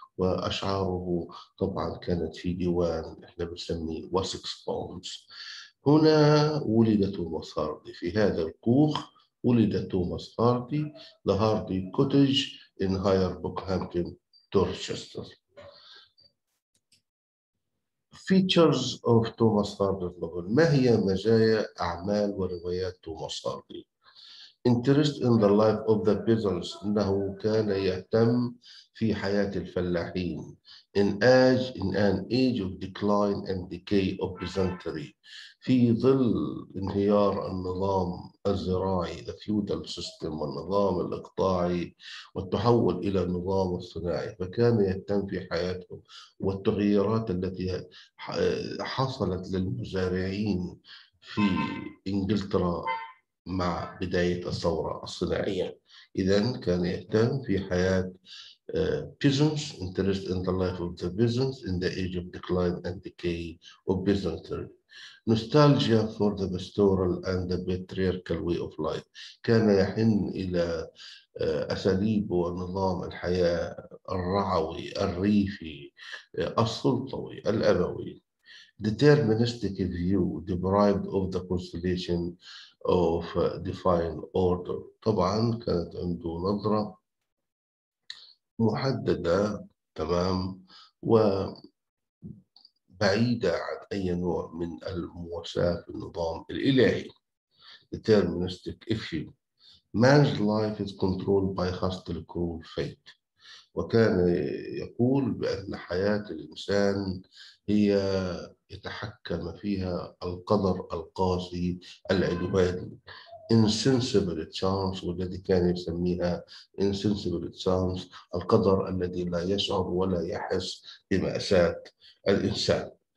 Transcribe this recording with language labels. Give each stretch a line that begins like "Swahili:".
Arabic: وأشعاره طبعا كانت في ديوان احنا بنسميه واسكس بونز. هنا ولد توماس هاردي، في هذا الكوخ ولد توماس هاردي،
English: The Hardy Cottage in Higher Bookhampton, Dorchester. Features of Thomas Hardy's novel.
Arabic: ما هي مزايا أعمال وروايات توماس هاردي؟
English: Interest in the life of the peasants.
Arabic: إنه كان يهتم في حياة الفلاحين.
English: In an age of decline and decay of peasantry.
Arabic: في ظل انهيار النظام الزراعي.
English: The feudal system
Arabic: والنظام الإقطاعي والتحول إلى النظام الصناعي. فكان يهتم في حياته والتغييرات التي حصلت للمزارعين في إنجلترا مع بداية الثورة الصناعية. إذن كان يهتم في حياة
English: peasants, interest in the life of the peasants in the age of decline and decay of peasantry. Nostalgia for the pastoral and the patriarchal way of life.
Arabic: كان يحن إلى أساليب ونظام الحياة الرعوي الريفي السلطوي الأبوي.
English: Deterministic view deprived of the constellation of defined order.
Arabic: طبعا كانت عنده نظرة محددة تمام وبعيدة عن أي نوع من المواساة في النظام الإلهي.
English: Deterministic view. Man's life is controlled by hostile cruel fate.
Arabic: وكان يقول بأن حياة الإنسان هي يتحكم فيها القدر القاسي العدواني
English: insensible chance،
Arabic: والذي كان يسميها insensible chance، القدر الذي لا يشعر ولا يحس بمأساة الإنسان.